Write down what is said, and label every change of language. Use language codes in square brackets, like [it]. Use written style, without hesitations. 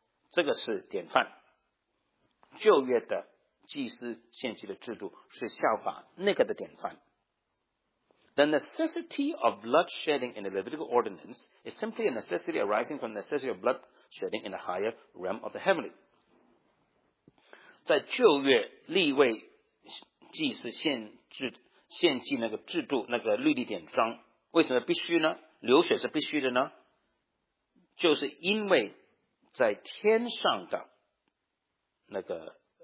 [zh] 是因为他们所效法的那个天上的模式是一个流血的献祭，这个是一个超越的流血的献上，来洁净天上的事物的，就是说在天上的圣殿那里流出的宝血，在天上洁净上帝选民的罪呢，这个是典范，旧约的 祭祀献祭的制度是效法那个的典范。The [en] necessity of blood shedding in the Levitical ordinance is simply a necessity arising from the necessity of blood shedding in the higher realm of the heavenly. [zh] 在旧约立位祭祀献祭那个制度那个律例典章，为什么必须呢？流血是必须的呢？就是因为在天上的那个